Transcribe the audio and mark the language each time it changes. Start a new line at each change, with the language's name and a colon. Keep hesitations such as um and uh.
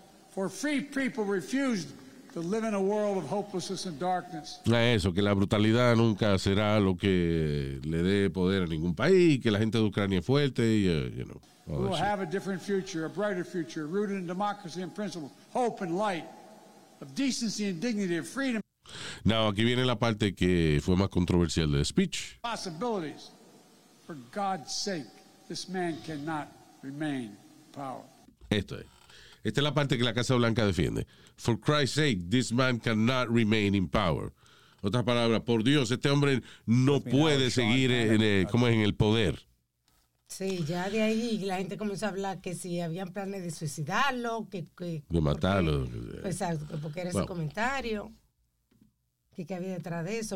English: For free people refused A
Spanish: eso, que la brutalidad nunca será lo que le dé poder a ningún país, que la gente de Ucrania es fuerte y, uh,
English: you know. We will have sure. a different future, a brighter future, rooted in democracy and principle, hope and light, of decency and dignity, and freedom.
Spanish: No aquí viene la parte que fue más controversial del speech.
English: Possibilities. For God's sake, this man cannot remain power.
Spanish: Esto es. Esta es la parte que la Casa Blanca defiende.
English: For Christ's sake, this man cannot remain in power.
Spanish: Otra palabra, por Dios, este hombre no pues mira, puede seguir señor, en, señor, en, señor, en el, como es, en el poder. Sí, ya de ahí la gente comenzó a hablar que si habían planes de suicidarlo, que... que de porque, matarlo. Exacto, pues, porque, era bueno. ese comentario. ¿Qué que había detrás de eso.